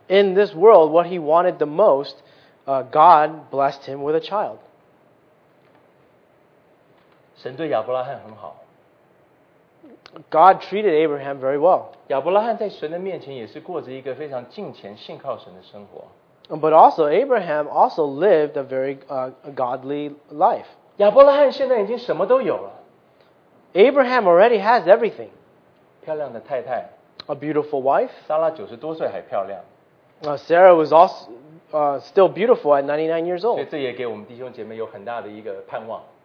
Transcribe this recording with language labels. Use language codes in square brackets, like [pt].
[en] In this world, what he wanted the most, God blessed him with a child. [zh] 神对亚伯拉罕很好。 [en] God treated Abraham very well. [zh] 亚伯拉罕在神的面前也是过着一个非常敬虔信靠神的生活。 [en] But also, Abraham also lived a very godly life. [zh] 亚伯拉罕现在已经什么都有了。 [en] Abraham already has everything. [zh] 漂亮的太太 [en] a beautiful wife. [zh] 莎拉九十多岁还漂亮。 [en] Sarah was also still beautiful at 99 years old. [zh] 所以这也给我们弟兄姐妹有很大的一个盼望。